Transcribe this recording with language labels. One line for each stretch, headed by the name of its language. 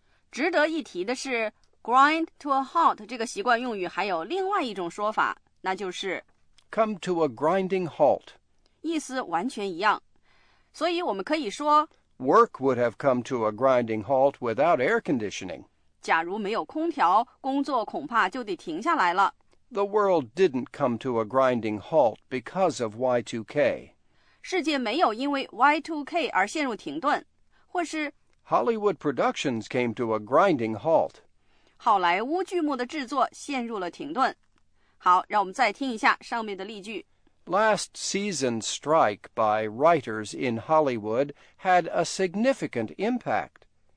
Chinese: 值得一提的是 grind to a halt 这个习惯用语还有另外一种说法，那就是
English: come to a grinding halt，
Chinese: 意思完全一样，所以我们可以说
English: Work would have come to a grinding halt without air conditioning.
Chinese: 假如没有空调，工作恐怕就得停下来了。
English: The world didn't come to a grinding halt because of Y2K.
Chinese: 世界没有因为 Y2K 而陷入停顿，或是
English: Hollywood productions came to a grinding halt.
Chinese: 好莱坞剧目的制作陷入了停顿。好，让我们再听一下上面的例句。
English: Last season's strike by writers in Hollywood had a significant impact.